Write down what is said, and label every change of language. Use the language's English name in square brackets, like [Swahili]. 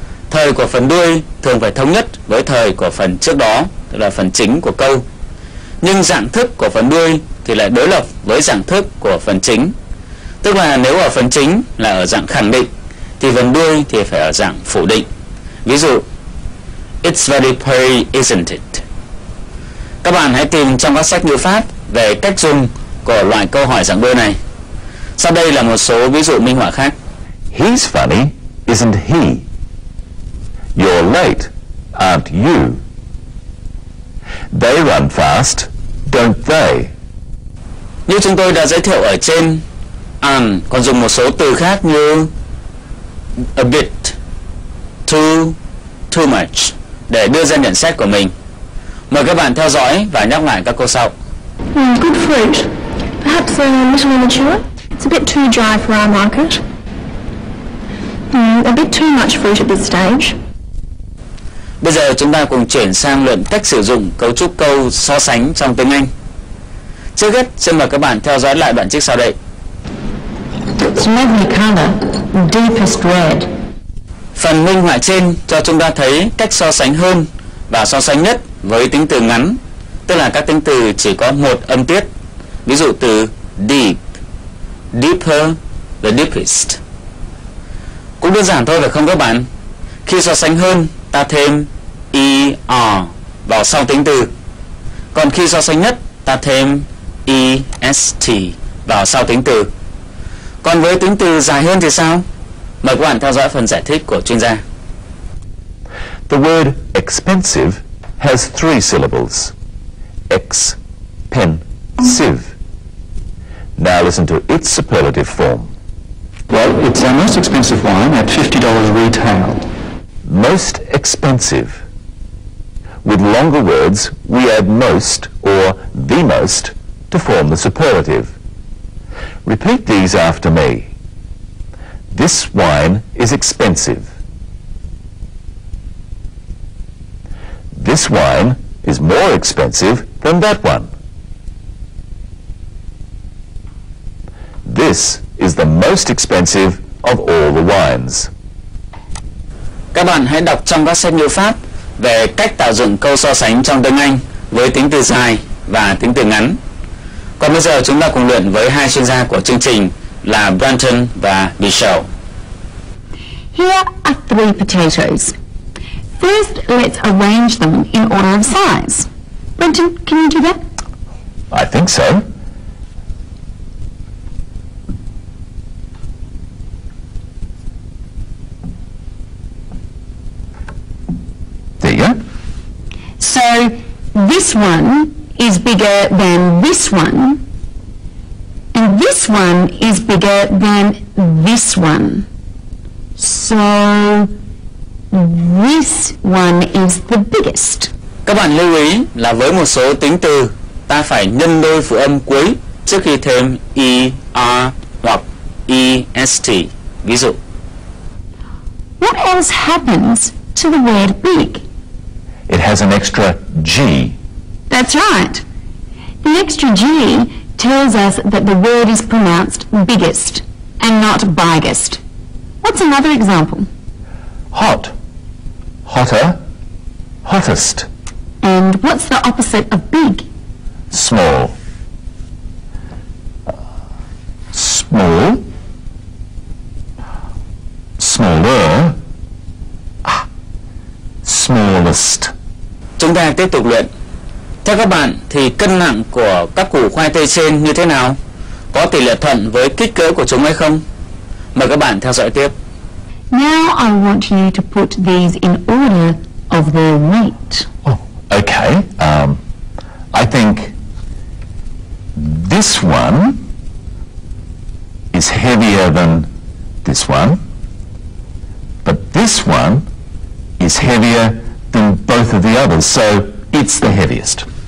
[Vietnamese] Thời của phần đuôi thường phải thống nhất với thời của phần trước đó, tức là phần chính của câu. Nhưng dạng thức của phần đuôi thì lại đối lập với dạng thức của phần chính. Tức là nếu ở phần chính là ở dạng khẳng định, thì phần đuôi thì phải ở dạng phủ định. Ví dụ, [English] it's very pretty, isn't it? [Vietnamese] Các bạn hãy tìm trong các sách ngữ pháp về cách dùng của loại câu hỏi dạng đuôi này. Sau đây là một số ví dụ minh họa khác. [English] He's funny, isn't he? You're late, aren't you? They run fast, don't they? [Vietnamese] Như chúng tôi đã giới thiệu ở trên, and còn dùng một số từ khác như [English] a bit, too much [Vietnamese] để đưa ra nhận xét của mình. Mời các bạn theo dõi và nhắc lại các câu sau. [English] Good fruit. Perhaps a little immature. It's a bit too dry for our market. A bit too much fruit at this stage. [Vietnamese] Bây giờ chúng ta cùng chuyển sang luận cách sử dụng cấu trúc câu so sánh trong tiếng Anh. Trước hết, xin mời các bạn theo dõi lại đoạn trích sau đây. [English] It's lovely color, deepest red. [Vietnamese] Phần minh họa trên cho chúng ta thấy cách so sánh hơn và so sánh nhất với tính từ ngắn, tức là các tính từ chỉ có một âm tiết. Ví dụ từ [English] deep, deeper, the deepest. [Vietnamese] Cũng đơn giản thôi phải không các bạn? Khi so sánh hơn, ta thêm er vào sau tính từ. Còn khi so sánh nhất, ta thêm est vào sau tính từ. Còn với tính từ dài hơn thì sao? Mời các bạn theo dõi phần giải thích của chuyên gia. [English] The word expensive has three syllables. Ex, pen, siv. Now listen to its superlative form. Well, it's our most expensive wine at $50 retail. Most expensive. With longer words, we add most or the most to form the superlative. Repeat these after me. This wine is expensive. This wine is more expensive than that one. This is the most expensive of all the wines. [Vietnamese] Các bạn hãy đọc trong các sách ngữ pháp về cách tạo dựng câu so sánh trong tiếng Anh với tính từ dài và tính từ ngắn. Còn bây giờ chúng ta cùng luyện với hai chuyên gia của chương trình là Brandon và Michelle. [English] Here are three potatoes. First, let's arrange them in order of size. Brenton, can you do that? I think so. There you go. So, this one is bigger than this one. And this one is bigger than this one. So, this one is the biggest. [Vietnamese] Các bạn lưu ý là với một số tính từ, ta phải nhân đôi phụ âm cuối trước khi thêm er hoặc est. Ví dụ. [English] What else happens to the word big? It has an extra g. That's right. The extra g tells us that the word is pronounced biggest and not biggest. What's another example? Hot. Hotter. Hottest. And what's the opposite of big? Small. Small. Smaller. Smallest. [Vietnamese] Chúng ta tiếp tục luyện. Theo các bạn thì cân nặng của các củ khoai tây trên như thế nào? Có tỷ lệ thuận với kích cỡ của chúng hay không? Mời các bạn theo dõi tiếp. [English] Now I want you to put these in order of their weight. Oh, okay. I think this one is heavier than this one, but this one is heavier than both of the others, so it's the heaviest.